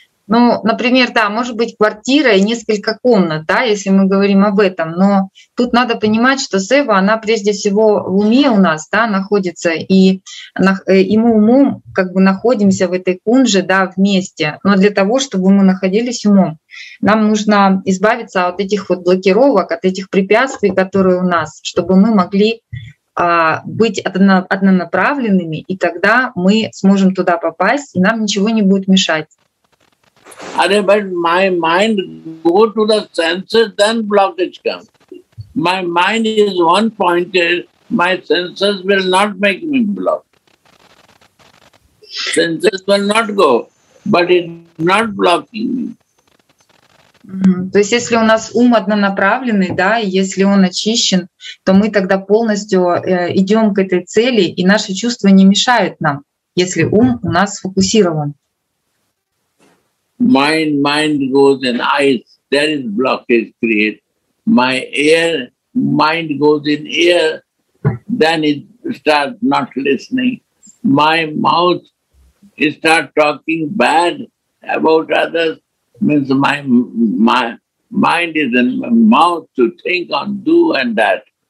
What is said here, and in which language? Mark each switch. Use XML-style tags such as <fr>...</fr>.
<ru>Ну, например, да, может быть квартира и несколько комнат, да, если мы говорим об этом, но тут надо понимать, что сева, она прежде всего в уме у нас, да, находится, и мы умом как бы находимся в этой кунже, да, вместе, но для того, чтобы мы находились умом, нам нужно избавиться от этих вот блокировок, от этих препятствий, которые у нас, чтобы мы могли быть однонаправленными, и тогда мы сможем туда попасть, и нам ничего не будет мешать.</ru> <en>Are but my mind go to the senses, then blockage comes. My mind is one pointed, my senses will not make me block. Senses will not go, but it's not blocking me.</en> <ru>То есть если у нас ум однонаправленный, да, и если он очищен, то мы тогда полностью идем к этой цели, и наши чувства не мешают нам, если ум у нас сфокусирован.</ru> <en>Mind goes in eyes, there is blockage created. My ear, mind goes in ear, then it starts not listening. My mouth starts talking bad about others, means my mind is in my mouth to think on do and that.</en>